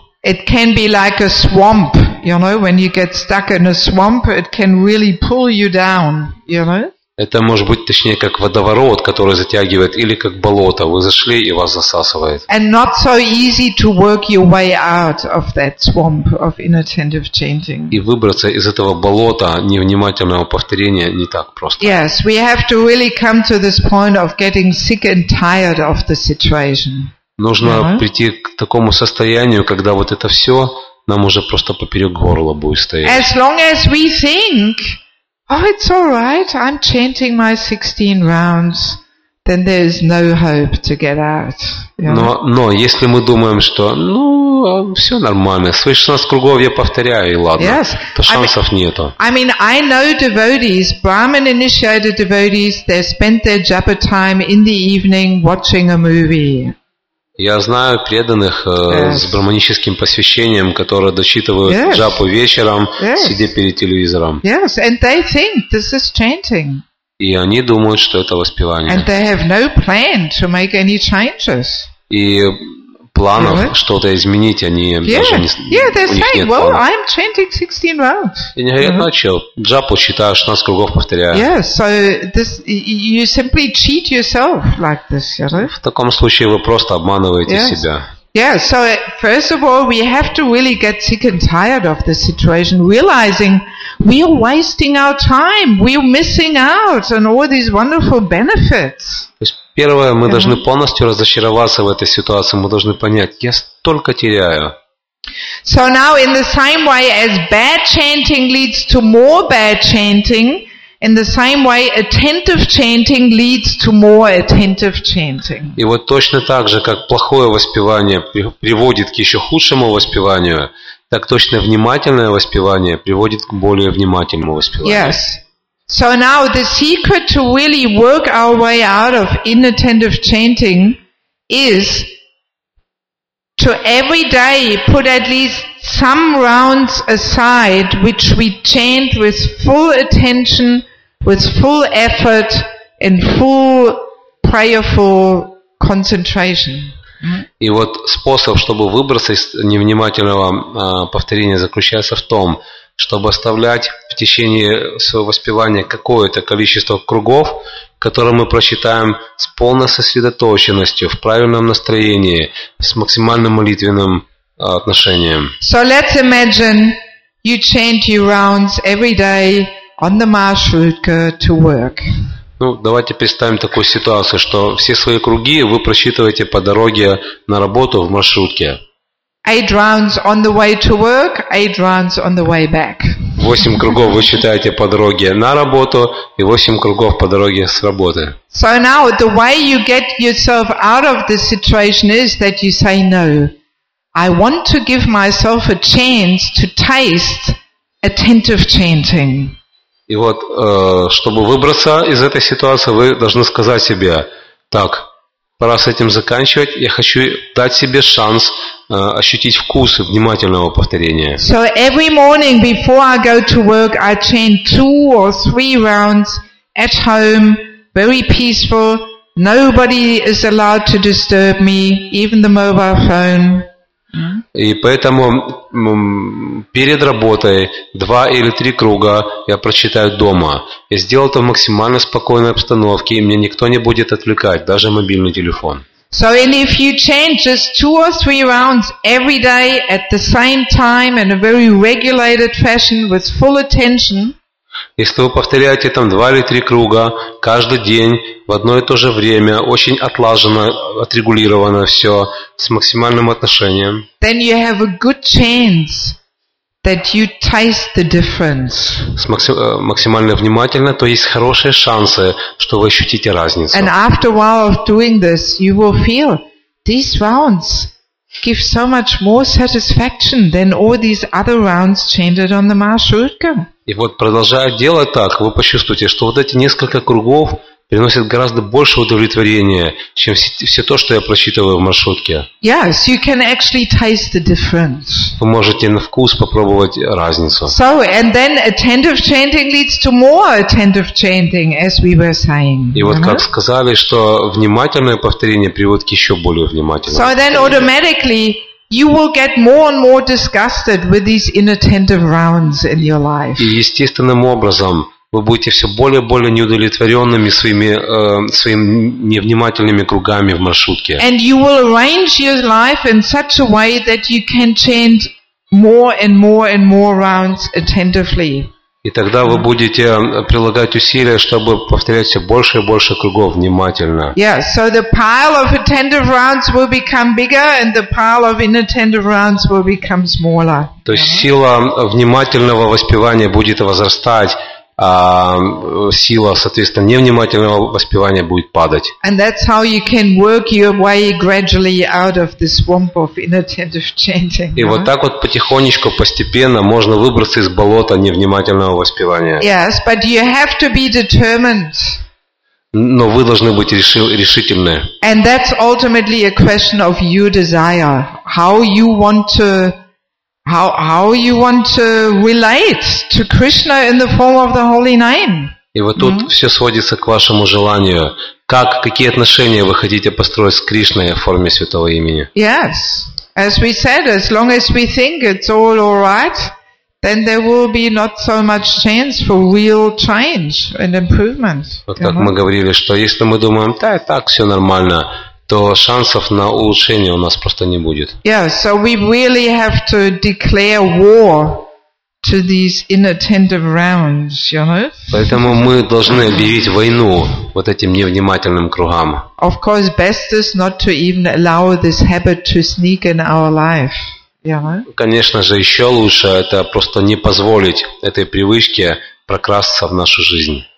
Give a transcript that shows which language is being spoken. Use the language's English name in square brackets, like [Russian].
[English] It can be like a swamp, you know, when you get stuck in a swamp, it can really pull you down, you know? [Russian] Это может быть точнее как водоворот, который затягивает, или как болото. Вы зашли и вас засасывает. [English] And not so easy to work your way out of that swamp of inattentive chanting. [Russian] И выбраться из этого болота невнимательного повторения не так просто. [English] Yes, we have to really come to this point of getting sick and tired of the situation. [Russian] Нужно прийти к такому состоянию, когда вот это все нам уже просто поперек горла будет стоять. [English] As long as we think, oh, it's all right, I'm chanting my 16 rounds, then there is no hope to get out. [Russian] Но если мы думаем, что, ну, все нормально, свои 16 кругов я повторяю, и ладно, [English] yes. [Russian] То шансов нету. [English] I mean, I know devotees, Brahman-initiated devotees, they spent their japa time in the evening watching a movie. [Russian] Я знаю преданных с брахманическим посвящением, которые дочитывают джапу вечером, сидя перед телевизором. [English] Yes, and they think this is chanting. [Russian] И они думают, что это воспевание. [English] And they have no plan to make any changes. [Russian] И планов что-то изменить они даже не имеют. [English] Yeah, they're saying, well, I'm chanting 16 rounds. [Russian] И не говорят, начал джапу считаю 16 кругов повторяю. [English] Yes, so this you simply cheat yourself like this, you know? [Russian] В таком случае вы просто обманываете себя. [English] Yeah, so first of all, we have to really get sick and tired of the situation, realizing we are wasting our time, we are missing out on all these wonderful benefits. [Russian] То есть первое, мы должны полностью разочароваться в этой ситуации, мы должны понять, я столько теряю. [English] So now, in the same way as bad chanting leads to more bad chanting, in the same way, attentive chanting leads to more attentive chanting. [Russian] И вот точно так же, как плохое воспевание приводит к еще худшему воспеванию, так точно внимательное воспевание приводит к более внимательному воспеванию. [English] Yes. So now the secret to really work our way out of inattentive chanting is to every day put at least some rounds aside which we chant with full attention, with full effort and full prayerful concentration. [Russian] И вот способ, чтобы выбраться из невнимательного повторения, заключается в том, чтобы оставлять в течение своего воспевания какое-то количество кругов, которые мы прочитаем с полной сосредоточенностью, в правильном настроении, с максимальным молитвенным отношением. [English] So let's imagine you chant your rounds every day on the marshrutka to work. [Russian] Ну, давайте представим такую ситуацию, что все свои круги вы просчитываете по дороге на работу в маршрутке. [English] 8 rounds on the way to work, 8 rounds on the way back. [Russian] 8 кругов вы считаете по дороге на работу и 8 кругов по дороге с работы. [English] So now the way you get yourself out of the situation is that you say no. I want to give myself a chance to taste attentive chanting. [Russian] И вот, чтобы выбраться из этой ситуации, вы должны сказать себе: так, пора с этим заканчивать, я хочу дать себе шанс ощутить вкус внимательного повторения. [English] So every morning before I go to work, I chant 2 or 3 rounds at home, very peaceful, nobody is allowed to disturb me, even the mobile phone. [Russian] И поэтому перед работой 2 или 3 круга я прочитаю дома. Я сделал это в максимально спокойной обстановке, и меня никто не будет отвлекать, даже мобильный телефон. [English] So and if you chant just 2 or 3 rounds every day at the same time in a very regulated fashion with full attention. [Russian] Если вы повторяете там 2 или 3 круга каждый день в одно и то же время, очень отлажено, отрегулировано все с максимальным отношением. [English] Then you have a good chance that you taste the difference. [Russian] С максимально внимательно, то есть хорошие шансы, что вы ощутите разницу. [English] And after a while of doing this, you will feel these rounds give so much more satisfaction than all these other rounds chanted on the marshrutka. [Russian] И вот продолжая делать так, вы почувствуете, что вот эти несколько кругов приносит гораздо больше удовлетворения, чем все то, что я прочитываю в маршрутке. [English] Yes, you can actually taste the difference. [Russian] Вы можете на вкус попробовать разницу. [English] So, and then attentive chanting leads to more attentive chanting, as we were saying. [Russian] И вот как сказали, что внимательное повторение приводит к еще более внимательному. [English] So then automatically you will get more and more disgusted with these inattentive rounds in your life. [Russian] И естественным образом вы будете все более и более неудовлетворенными своими, своими невнимательными кругами в маршрутке. [English] And you will arrange your life in such a way that you can chant more and more and more rounds attentively. [Russian] И тогда вы будете прилагать усилия, чтобы повторять все больше и больше кругов внимательно. [English] Yeah, so the pile of attentive rounds will become bigger, and the pile of inattentive rounds will become smaller. [Russian] То есть сила внимательного воспевания будет возрастать, а сила, соответственно, невнимательного воспевания будет падать. [English] And that's how you can work your way gradually out of the swamp of inattentive chanting. [Russian] И вот так вот потихонечку, постепенно можно выбраться из болота невнимательного воспевания. [English] Yes, but you have to be determined. [Russian] Но вы должны быть решительны. [English] And that's ultimately a question of your desire, how you want to relate to Krishna in the form of the holy name. [Russian] И вот тут все сводится к вашему желанию. Какие отношения вы хотите построить с Кришной в форме святого имени? [English] Yes. As we said, as long as we think it's all right, then there will be not so much chance for real change and improvement. [Russian] Вот как мы говорили, что если мы думаем, так все нормально, то шансов на улучшение у нас просто не будет. [English] Yeah, so we really have to declare war to these inattentive rounds, you know? [Russian] Поэтому мы должны объявить войну вот этим невнимательным кругам. [English] Of course, best is not to even allow this habit to sneak in our life, you know? [Russian] Конечно же, еще лучше это просто не позволить этой привычке прокрасться в нашу жизнь.